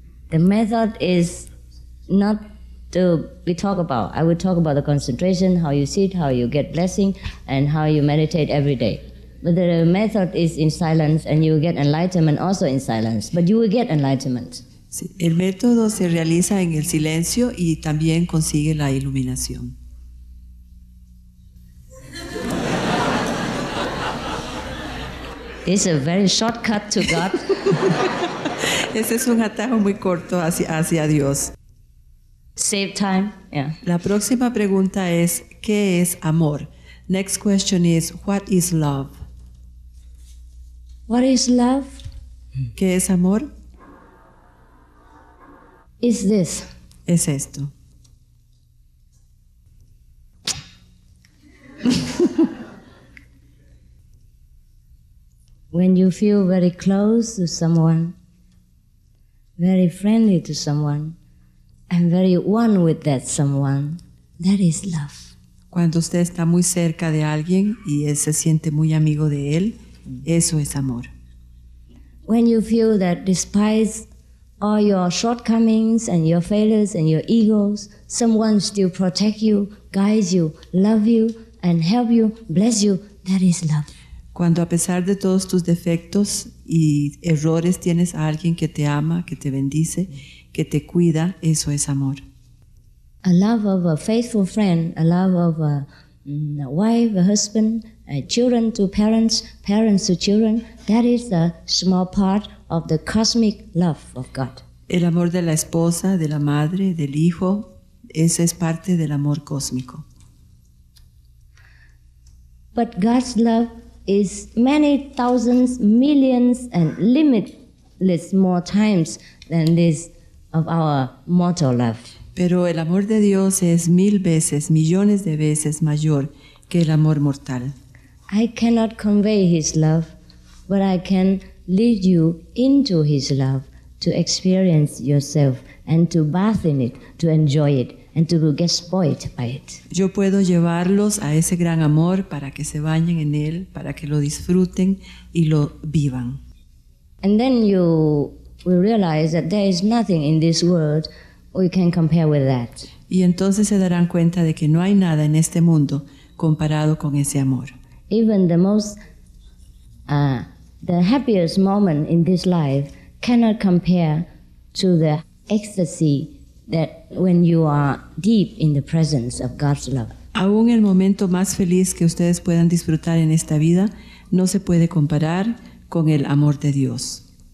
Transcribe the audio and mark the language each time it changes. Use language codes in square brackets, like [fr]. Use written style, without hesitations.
[en] The method is not to be talked about. I will talk about the concentration, how you sit, how you get blessing, and how you meditate every day. But the method is in silence, and you will get enlightenment also in silence. But you will get enlightenment. [es] Sí. El método se realiza en el silencio y también consigue la iluminación. [en] It's a very shortcut to God. [es] Ese es un atajo muy corto hacia Dios. [en] Save time. Yeah. [es] La próxima pregunta es, ¿qué es amor? [en] Next question is, what is love? What is love? [es] ¿Qué es amor? [en] Is this. [es] Es esto. [en] When you feel very close to someone, very friendly to someone, and very one with that someone, that is love. [es] Cuando usted está muy cerca de alguien y él se siente muy amigo de él, eso es amor. [en] When you feel that despite all your shortcomings and your failures and your egos, someone still protects you, guides you, loves you, and helps you, bless you, that is love. [es] Cuando a pesar de todos tus defectos y errores tienes a alguien que te ama, que te bendice, que te cuida, eso es amor. [en] A love of a faithful friend, a love of a wife, a husband, a children to parents, parents to children, that is a small part of the cosmic love of God. [es] El amor de la esposa, de la madre, del hijo, ese es parte del amor cósmico. [en] But God's love is many thousands, millions, and limitless more times than this of our mortal love. [es] Pero el amor de Dios es mil veces, millones de veces mayor que el amor mortal. [en] I cannot convey His love, but I can lead you into His love to experience yourself and to bathe in it, to enjoy it, and to get spoiled by it. [es] Yo puedo llevarlos a ese gran amor para que se bañen en él, para que lo disfruten y lo vivan. [en] And then you will realize that there is nothing in this world we can compare with that. [es] Y entonces se darán cuenta de que no hay nada en este mundo comparado con ese amor. [en] Even the most the happiest moment in this life cannot compare to the ecstasy that when you are deep in the presence of God's love. [es] Aún el momento más feliz que ustedes puedan disfrutar en esta vida no se puede comparar con el amor de Dios.